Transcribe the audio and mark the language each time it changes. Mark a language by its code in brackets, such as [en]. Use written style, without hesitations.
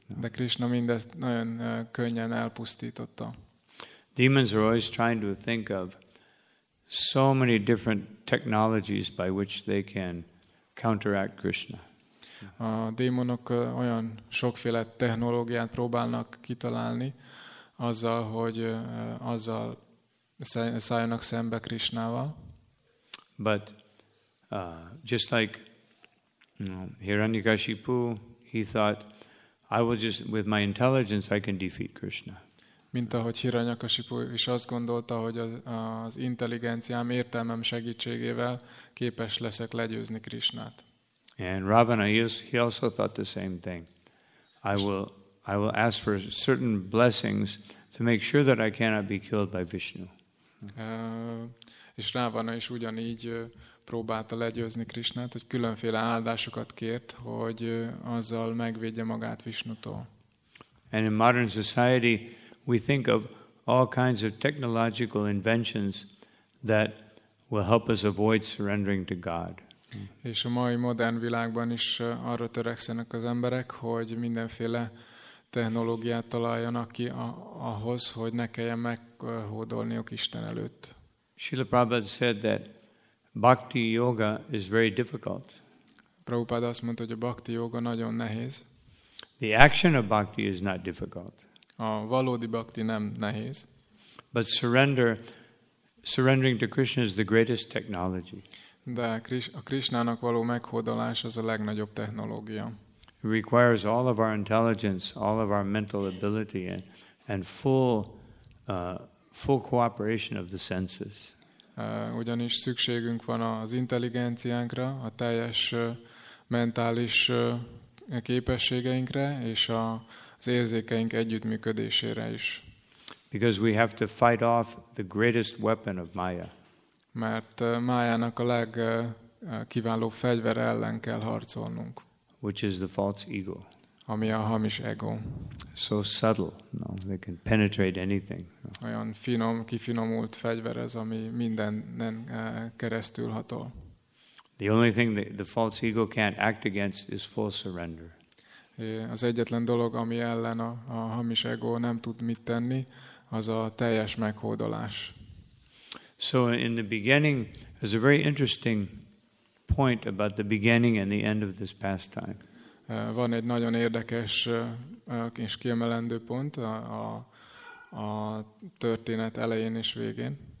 [hu] De Krishna mindezt nagyon könnyen elpusztította. [en] Demons are always trying to think of so many different technologies by which they can counteract Krishna. [hu] A démonok olyan sokféle technológiát próbálnak kitalálni azzal, hogy azzal szálljanak szembe Krishnával. [en] But just like Hiranyakashipu, he thought, I will just, with my intelligence, I can defeat Krishna. [hu] Mint ahogy Hiranyakasipu is azt gondolta, hogy az intelligenciám, értelmem segítségével képes leszek legyőzni Krisnát. [en] And Ravana, he also thought the same thing. I will ask for certain blessings to make sure that I cannot be killed by Vishnu. [hu] És Ravana is ugyanígy próbálta legyőzni Krisnát, hogy különféle áldásokat kért, hogy azzal megvédje magát Vishnutól. [en] And in modern society, we think of all kinds of technological inventions that will help us avoid surrendering to God. [hu] És a mai modern világban is arra törekszenek az emberek, hogy mindenféle technológiát találjanak ki ahhoz, hogy ne kelljen meghódolniuk Isten előtt. [en] Srila Prabhupada said that bhakti yoga is very difficult. [hu] Prabhupada azt mondta, hogy a bhakti yoga nagyon nehéz. [en] The action of bhakti is not difficult. [hu] A valódi bhakti nem nehéz. [en] But surrendering to Krishna is the greatest technology. [hu] De a Krishnának való meghódolás az a legnagyobb technológia. [en] It requires all of our intelligence, all of our mental ability and full cooperation of the senses. [hu] Ugyanis szükségünk van az intelligenciánkra, a teljes mentális képességeinkre és az érzékeink együttműködésére is. [en] Because we have to fight off the greatest weapon of Maya. [hu] Mert Mayának a legkiválóbb fegyvere ellen kell harcolnunk. [en] Which is the false ego. [hu] Ami a hamis ego. [en] So subtle, no, they can penetrate anything. [hu] Olyan finom, kifinomult fegyver ez, ami mindenen keresztül hatol. [en] The only thing that the false ego can't act against is full surrender. [hu] Az egyetlen dolog, ami ellen a hamis ego nem tud mit tenni, az a teljes meghódolás. [en] So in the beginning, there's a very interesting point about the beginning and the end of this pastime. [hu] Van egy nagyon érdekes és kiemelendő pont a történet elején és végén.